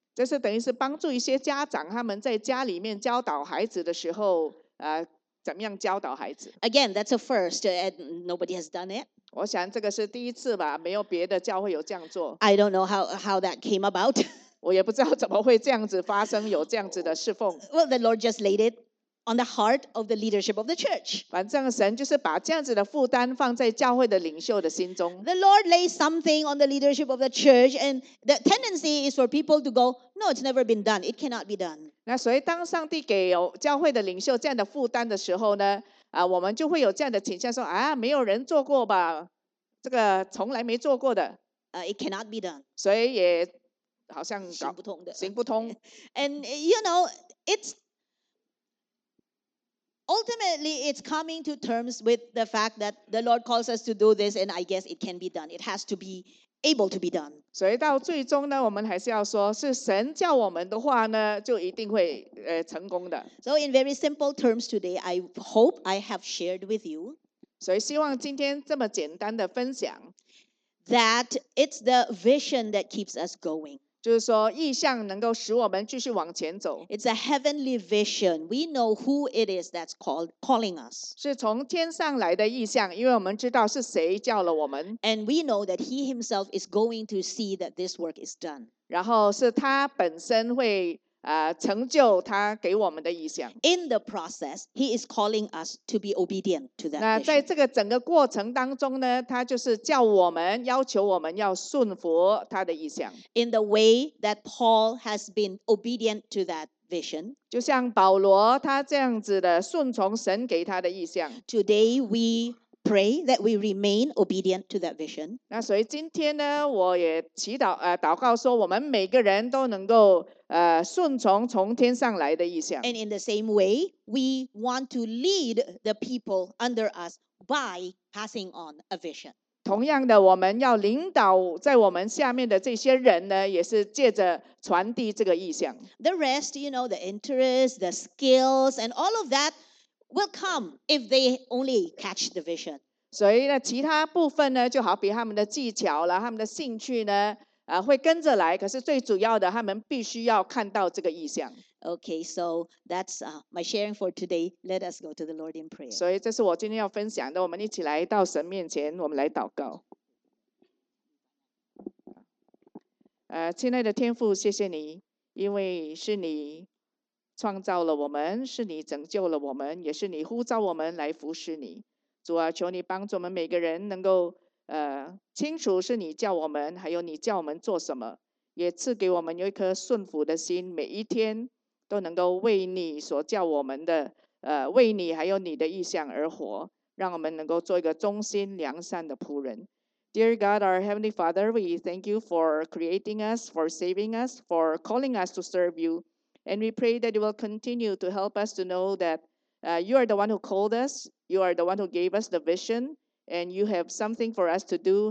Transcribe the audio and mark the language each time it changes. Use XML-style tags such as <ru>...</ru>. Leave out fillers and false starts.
<zh>这是等于是帮助一些家长他们在家里面教导孩子的时候怎么样教导孩子。</zh> <en>Again, that's a first, and nobody has done it.</en> <zh>我想这个是第一次吧，没有别的教会有这样做。</zh> <en>I don't know how that came about.</en> <zh>我也不知道怎么会这样子发生，有这样子的侍奉。</zh> <en>Well, the Lord just laid it on the heart of the leadership of the church.</en> <zh>反正神就是把这样子的负担放在教会的领袖的心中。</zh> <en>The Lord laid something on the leadership of the church, and the tendency is for people to go, "No, it's never been done. It cannot be done."</en> <zh>那所以当上帝给有教会的领袖这样的负担的时候呢，啊，我们就会有这样的倾向说，啊，没有人做过吧，这个从来没做过的。</zh> <en>It cannot be done.</en> <zh>所以也好像搞行不通的，行不通。</zh> <en>And you know, it's ultimately it's coming to terms with the fact that the Lord calls us to do this, and I guess it can be done. It has to be able to be done.</en> <zh>所以到最终呢，我们还是要说，是神叫我们的话呢，就一定会成功的。</zh> <en>So in very simple terms today, I hope I have shared with you.</en> <zh>所以希望今天这么简单的分享。</zh> <en>That it's the vision that keeps us going.</en> <zh>就是说意向能够使我们继续往前走。</zh> <en>It's a heavenly vision. We know who it is that's calling us.</en> <zh>是从天上来的意向，因为我们知道是谁叫了我们。</zh> <en>And we know that he himself is going to see that this work is done.</en> <zh>然后是他本身会成就他给我们的意向。</zh> <en>In the process, he is calling us to be obedient to that.</en> <zh>那在这个整个过程当中呢，他就是叫我们，要求我们要顺服他的意向。</zh> <en>In the way that Paul has been obedient to that vision,</en> <zh>就像保罗他这样子的顺从神给他的意向。</zh> <en>Today we pray that we remain obedient to that vision.</en> <zh>那所以今天呢，我也祈祷祷告说，我们每个人都能够。顺从从天上来的意象。</zh> <en>And in the same way, we want to lead the people under us by passing on a vision.</en> <zh>同样的，我们要领导在我们下面的这些人呢，也是借着传递这个意象。</zh> <en>The rest, you know, the interest, the skills, and all of that will come if they only catch the vision.</en> <zh>所以呢，其他部分呢，就好比他们的技巧了，他们的兴趣呢。会跟着来，可是最主要的，他们必须要看到这个意象。</zh> <en>Okay, so that's my sharing for today. Let us go to the Lord in prayer.</en> <zh>所以这是我今天要分享的，我们一起来到神面前，我们来祷告。亲爱的天父，谢谢你，因为是你创造了我们，是你拯救了我们，也是你呼召我们来服侍你。主啊，求你帮助我们每个人能够清楚是你叫我们，还有你叫我们做什么，也赐给我们有一颗顺服的心，每一天都能够为你所叫我们的为你还有你的意向而活，让我们能够做一个忠心良善的仆人。</zh> <en>Dear God, our Heavenly Father, we thank you for creating us, for saving us, for calling us to serve you, and we pray that you will continue to help us to know that you are the one who called us, you are the one who gave us the visionAnd you have something for us to do.</en>